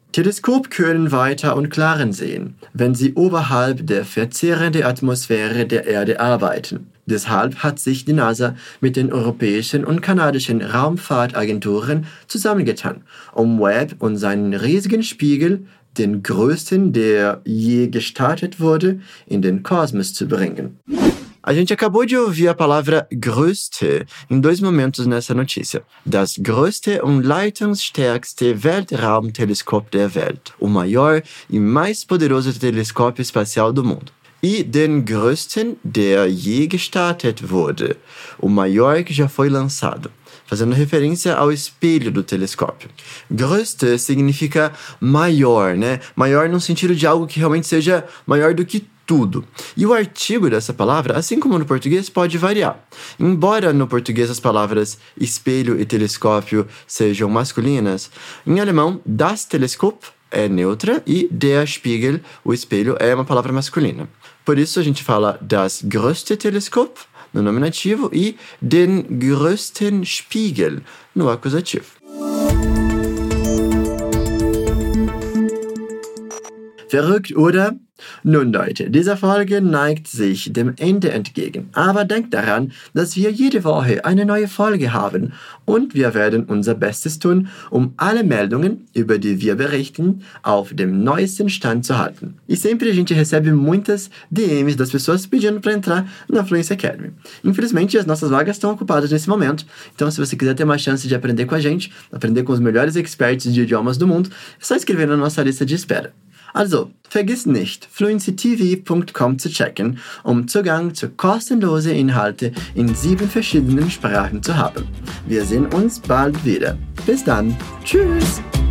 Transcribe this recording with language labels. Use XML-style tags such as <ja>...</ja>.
<de>Teleskop können weiter und klarer sehen, wenn sie oberhalb der verzehrenden Atmosphäre der Erde arbeiten. Deshalb hat sich die NASA mit den europäischen und kanadischen Raumfahrtagenturen zusammengetan, um Webb und seinen riesigen Spiegel, den größten, der je gestartet wurde, in den Kosmos zu bringen.</de> <pt>A gente acabou de ouvir a palavra größte em dois momentos nessa notícia.</pt> <de>Das größte und leitungsstärkste Weltraumteleskop der Welt.</de> <pt>O maior e mais poderoso telescópio espacial do mundo.</pt> <de>E den größten, der je gestartet wurde.</de> <pt>O maior que já foi lançado. Fazendo referência ao espelho do telescópio. Größte significa maior, né? Maior no sentido de algo que realmente seja maior do que tudo. E o artigo dessa palavra, assim como no português, pode variar. Embora no português as palavras espelho e telescópio sejam masculinas, em alemão, das Teleskop é neutra e der Spiegel, o espelho, é uma palavra masculina. Por isso a gente fala das größte Teleskop, no nominativo, e den größten Spiegel, no acusativo.</pt> <de>Verrückt, oder? Nun, Leute, diese Folge neigt sich dem Ende entgegen. Aber denkt daran, dass wir jede Woche eine neue Folge haben. Und wir werden unser Bestes tun, um alle Meldungen, über die wir berichten, auf dem neuesten Stand zu halten.</de> <pt>E sempre a gente recebe muitas DMs das pessoas pedindo para entrar na Fluência Academy. Infelizmente, as nossas vagas estão ocupadas nesse momento. Então, se você quiser ter uma chance de aprender com a gente, aprender com os melhores experts de idiomas do mundo, é só escrever na nossa lista de espera.</pt> <de>Also, vergiss nicht, fluencytv.com zu checken, um Zugang zu kostenlosen Inhalten in 7 verschiedenen Sprachen zu haben. Wir sehen uns bald wieder. Bis dann. Tschüss.</de>